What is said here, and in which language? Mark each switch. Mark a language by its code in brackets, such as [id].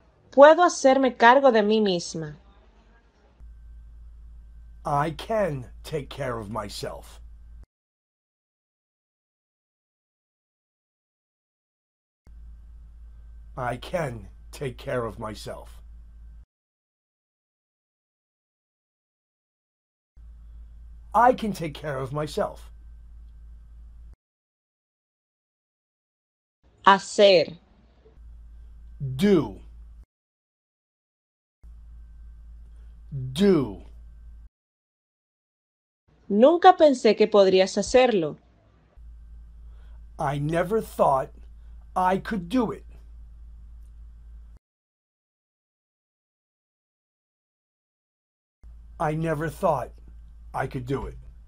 [es] Puedo hacerme cargo de mí misma. [en] I can take care of myself. I can take care of myself. I can take care of myself. [es] Hacer. [en] Do. Do. [es] Nunca pensé que podrías hacerlo. [en] I never thought I could do it. I never thought I could do it.